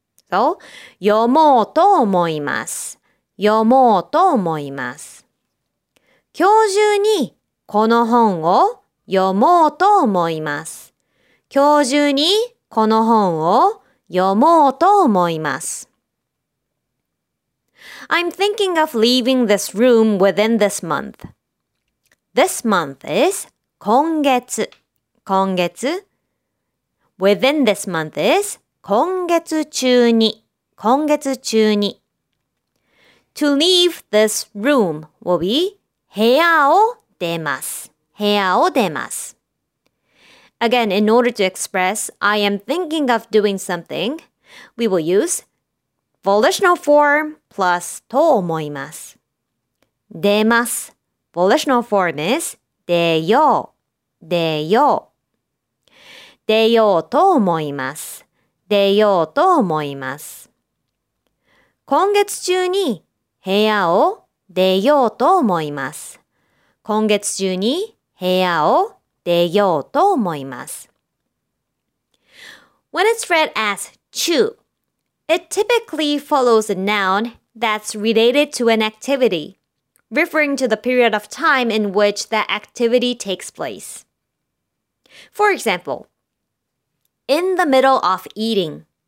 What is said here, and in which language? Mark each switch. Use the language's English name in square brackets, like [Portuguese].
[Japanese] So, 読もうと思います。読もうと思います。今日中にこの本を読もうと思います。今日中にこの本を読もうと思います。 [English] I'm thinking of leaving this room within this month. This month is [Japanese] 今月。今月。 [English] Within this month is [Japanese] 今月中に。今月中に。 [English] To leave this room will be [Japanese] 部屋を出ます。部屋を出ます。 [English] Again, in order to express I am thinking of doing something, we will use volitional form plus [Japanese] と思います。出ます。 [English] Volitional form is [Japanese] 出よう。出よう。出ようと思います。出ようと思います。今月中に部屋を出ようと思います。今月中に部屋を出ようと思います。 [English] When it's read as 中, it typically follows a noun that's related to an activity, referring to the period of time in which that activity takes place. For example,In the middle of eating.